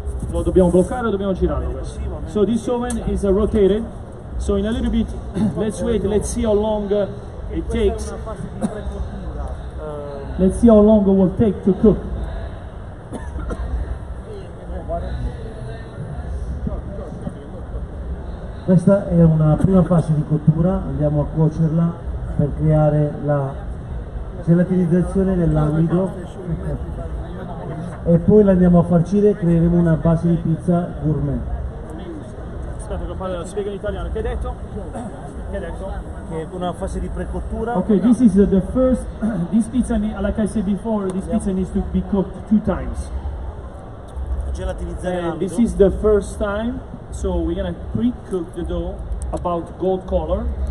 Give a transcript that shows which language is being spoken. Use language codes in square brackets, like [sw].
[it] Lo dobbiamo bloccare o dobbiamo girarlo? [en] So this oven is rotated. So in a little bit, let's wait. Let's see how long. It takes. Let's see how long it will take to cook. [it] Questa è una prima fase di cottura. Andiamo a cuocerla per creare la gelatinizzazione dell'amido e poi la andiamo a farcire. Creeremo una base di pizza gourmet. Aspetta, lo spiego in italiano. Che hai detto? Che è una fase di precottura. [en] Okay, this is the first. This pizza, like I said before, this pizza needs to be cooked two times. [it] Gelatinizzare l'amido. [en] This is the first time, so we're gonna pre-cook the dough about gold color.